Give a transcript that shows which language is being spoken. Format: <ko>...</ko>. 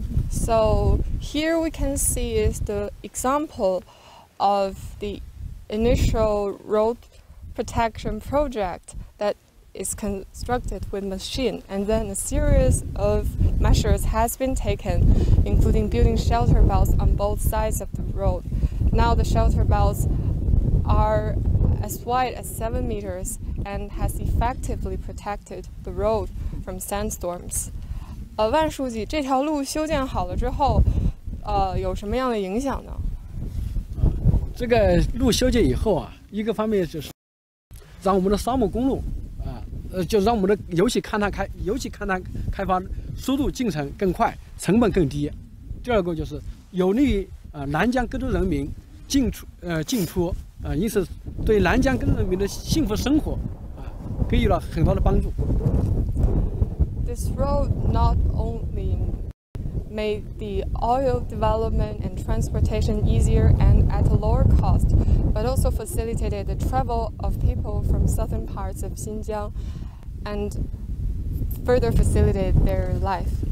<en>So here we can see is the example of the initial road protection project that is constructed with machine, and then a series of measures has been taken, including building shelter belts on both sides of the road. Now the shelter belts are as wide as 7 meters and has effectively protected the road from sandstorms.</en> <zh>万书记，这条路修建好了之后，有什么样的影响呢？这个路修建以后一个方面就是让我们的沙漠公路就让我们的油气勘探开发速度进程更快，成本更低。第二个就是有利于南疆各州人民进出。因此对南疆各人民的幸福生活给予了很大的帮助。</zh> <en>This road not only made the oil development and transportation easier and at a lower cost, but also facilitated the travel of people from southern parts of Xinjiang and further facilitated their life.</en>